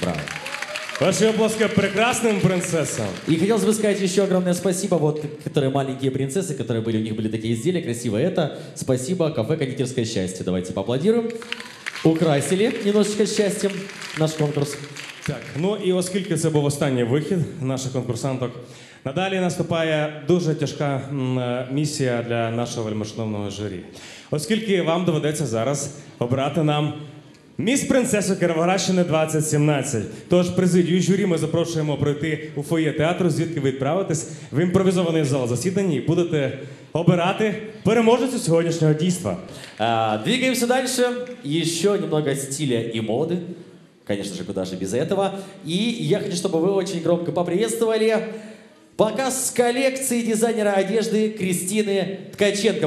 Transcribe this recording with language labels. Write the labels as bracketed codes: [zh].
[ru] Браво. Ваши аплодисменты прекрасным принцессам. И хотелось бы сказать еще огромное спасибо вот которые маленькие принцессы, которые были, у них были такие изделия красивые. Это спасибо кафе «Кондитерское счастье». Давайте поаплодируем. Украсили немножечко счастьем наш конкурс. [uk] Так, ну и оскільки це був останній вихід наших конкурсанток, надалі наступає дуже тяжка місія для нашого вельмишановного журі. Оскільки вам доведеться зараз обрати нам міс-принцесу Кіровоградщини 2017. Тож президію журі ми запрошуємо пройти у фоє театру, звідки ви відправитесь в імпровізований зал засідань і будете обирати переможницю сьогоднішнього дійства. Двигаємося далі. Ще [ru] немного стиля [uk] і моди. [ru] Конечно же, куда же без этого. И я хочу, чтобы вы очень громко поприветствовали показ коллекции дизайнера одежды Кристины Ткаченко.